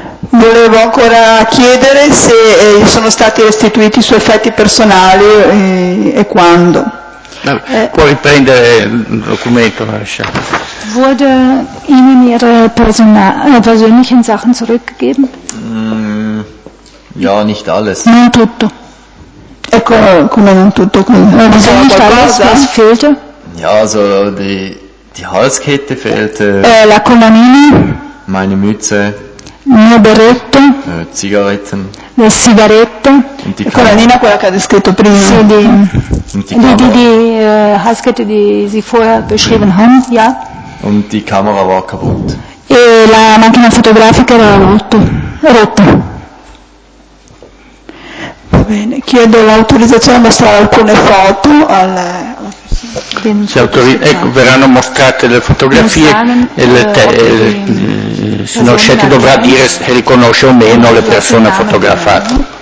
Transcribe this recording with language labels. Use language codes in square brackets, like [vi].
[it] Volevo ancora chiedere se sono stati restituiti i suoi effetti personali e quando. Può riprendere il documento, lascia. [de] Wurde Ihnen Ihre persönlichen Sachen zurückgegeben? Ja, nicht alles. [it] Non tutto. Ecco, come non tutto. Cosa [de] fehlte? Ja, also die Halskette fehlte. [it] La collanina. [de] Meine Mütze. [it] Mio berretto. [de] Zigaretten. [it] Le sigarette. La collanina, quella che ha descritto prima. [de] Sì, die Halskette, die Sie vorher beschrieben haben, ja. Und die Kamera war kaputt. [it] E la macchina fotografica era rotta. Bene, chiedo l'autorizzazione a mostrare alcune foto alla si ecco, verranno mostrate le fotografie e le se non scelte dovrà dire se riconosce o meno le persone fotografate.